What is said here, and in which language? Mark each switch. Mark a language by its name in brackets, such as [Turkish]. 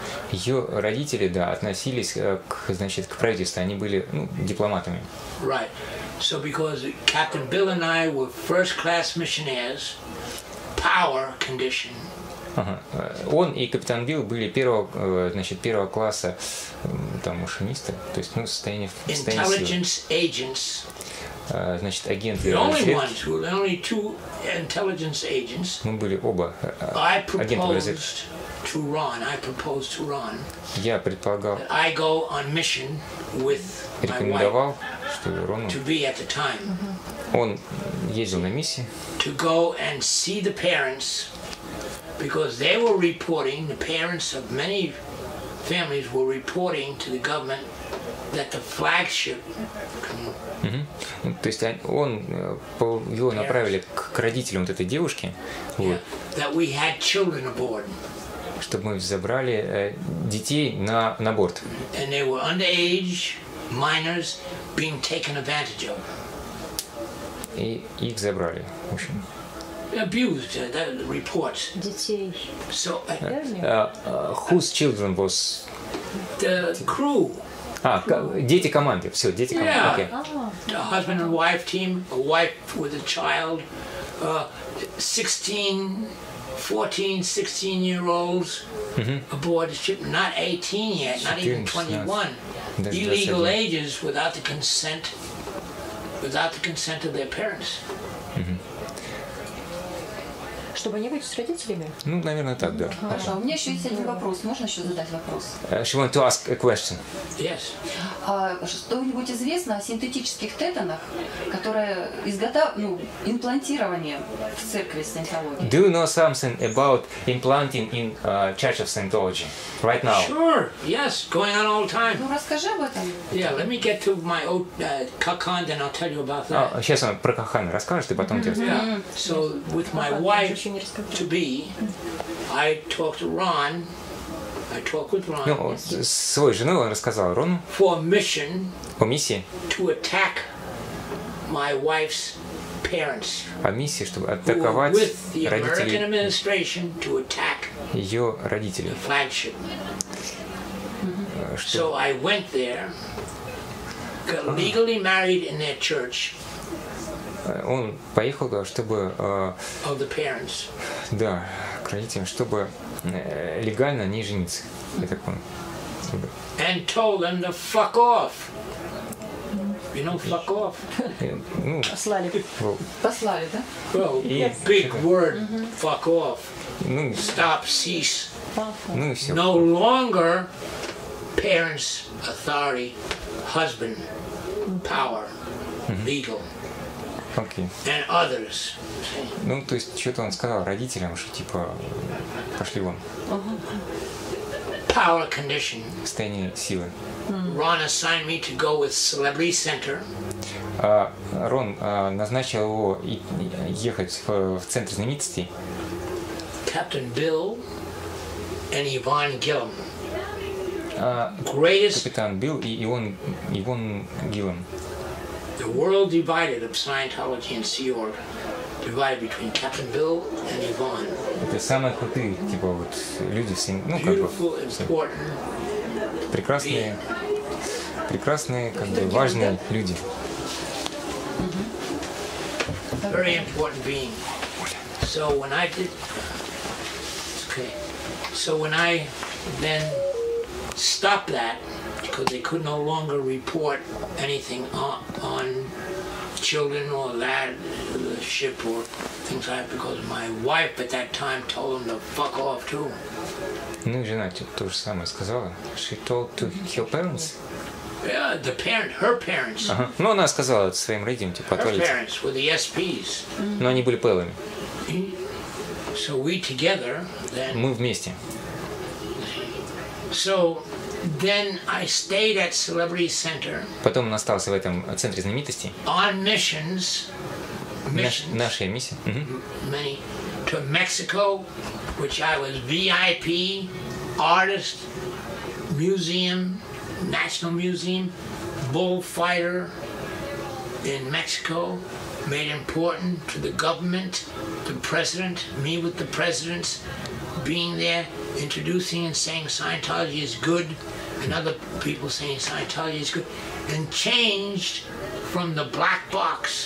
[Russian] Ее родители, да, относились к правительству. Они были, ну, дипломатами. [English] Right. So because Captain Bill and I were first-class missionaries, power condition. [Russian] Ага. Он и капитан Билл были первого класса там машиниста, то есть, ну, состояние [English] intelligence agents. [Russian] Значит, агенты. Мы были оба агенты разведки. Я предполагал. [English] I go on mission with [Russian] рекомендовал, [English] my wife, [Russian] что Рону. [English] To be at the time. [Russian] Он ездил на миссии. [English] To go and see the parents. Because they were reporting, the parents of many families were reporting to the government that the flagship. Mm-hmm. [Russian] Ну, то есть его направили к родителям вот этой девушки. [English] Yeah. [Russian] Вот, [English] that we had children aboard. [Russian] Чтобы мы забрали детей на борт. [English] And they were underage minors being taken advantage of. [Russian] И их забрали, в общем. [English] Abused, the reports. [Russian] Детей. [English] So, whose children was? The crew. [Russian] Дети команды. Все, дети команды. [English] Yeah. Okay. The husband and wife team, a wife with a child, 16-year-olds mm-hmm. aboard the ship, not 18 yet, not even 21. That's illegal ages without the consent of their parents. Mm-hmm. [Russian] Чтобы не быть с родителями? Ну, наверное, так, да. Хорошо. А у меня еще есть один вопрос. Можно еще задать вопрос? [English] She wanted to ask a question. Yes. [Russian] Что-нибудь известно о синтетических тетанах, которые имплантирование в церкви саентологии? [English] Do you know something about implanting in Church of Scientology right now? Sure, yes, going on all the time. [Russian] Ну, расскажи об этом. [English] Yeah, let me get to my Kakan, then I'll tell you about that. [Russian] Сейчас он про Кахан расскажет, и потом тебе. [English] Yeah, so with my wife, to be, I talked with Ron. [Russian] Ну, свою жену он рассказал Рону. [English] For a mission. [Russian] О миссии. [English] To attack my wife's parents. [Russian] О миссии, чтобы атаковать родителей. [English] With the American administration to attack. [Russian] Ее родителей. [English] The flagship. Mm-hmm. So I went there. Got legally married in their church. [Russian] он поехал туда, чтобы... [English] Of the parents. [Russian] Да, к родителям, чтобы легально не жениться. Я так понял. [English] And told them to fuck off. You know, fuck off. [Russian] Послали. Послали, да? [English] Well, yes. Big word, mm-hmm. Fuck off. Ну, stop, cease. [Russian] Ну, и все. [English] No longer parents authority, husband power, legal. Okay. And others. [Russian] Ну, то есть, что-то он сказал родителям, что типа, пошли вон. [English] Power condition. [Russian] Состояние силы. [English] Рон assigned me to go with Celebrity Center. [Russian] Рон назначил его ехать в центр знаменитостей. [English] Captain Bill and Yvonne Gillam. Greatest. [Russian] Капитан Билл и Ивон Гиллам. [English] The world divided of Scientology and Sea Org. Divided between Captain Bill and Yvonne. [Russian] Это самые крутые, типа, вот, люди все, ну, [English] beautiful, [Russian] как бы, все. Important. Прекрасные, прекрасные, как бы, важные люди. [English] Very important being. So when I did, it's okay. So when I then stopped that, because they could no longer report anything on children or that the ship or things like that, because my wife at that time told him to fuck off too. [Russian] Ну и жена то же самое сказала. [English] She told to her parents. Yeah, the parent, her parents. [Russian] Ага. Ну она сказала своим родителям типа. [English] Her parents were the SPs. [Russian] Но они были пэлами. [English] So we together then. [Russian] Мы вместе. [English] So then I stayed at Celebrity Center. [Russian] Потом он остался в этом центре знаменитостей. [English] On missions. [Russian] Наша миссия. [English] Many to Mexico, which I was VIP, artist, museum, national museum, bullfighter in Mexico, made important to the government, the president, me with the presidents, being there, introducing and saying Scientology is good, and other people saying Scientology is good, and changed from the black box.